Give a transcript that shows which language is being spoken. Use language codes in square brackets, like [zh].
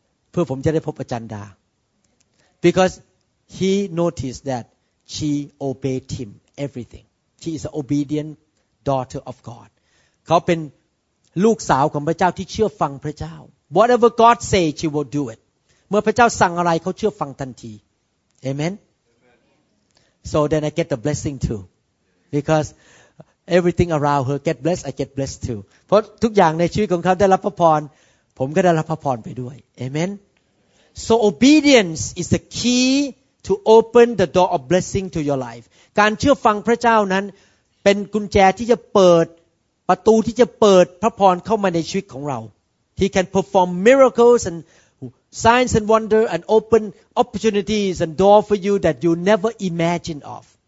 [th] เพื่อผมจะได้พบอาจารย์ดา [en] because he noticed that she obeyed him everything she is an obedient daughter of God [th] เขาเป็นลูกสาวของพระเจ้าที่เชื่อฟังพระเจ้า [en] whatever God say she will do it [th] เมื่อพระเจ้าสั่งอะไรเขาเชื่อฟังทันที [en] amen so then I get the blessing too becauseEverything around her get blessed. I get blessed too. [th] เพราะทุกอย่างในชีวิตของเขาได้รับพระพรผมก็ได้รับพระพรไปด้วย Amen. [en] So obedience is the key to open the door of blessing to your life. [th] การเชื่อฟังพระเจ้านั้นเป็นกุญแจที่จะเปิดประตูที่จะเปิดพระพรเข้ามาในชีวิตของเรา [en] He can perform miracles and signs and wonder and open opportunities and door for you that you never imagined of.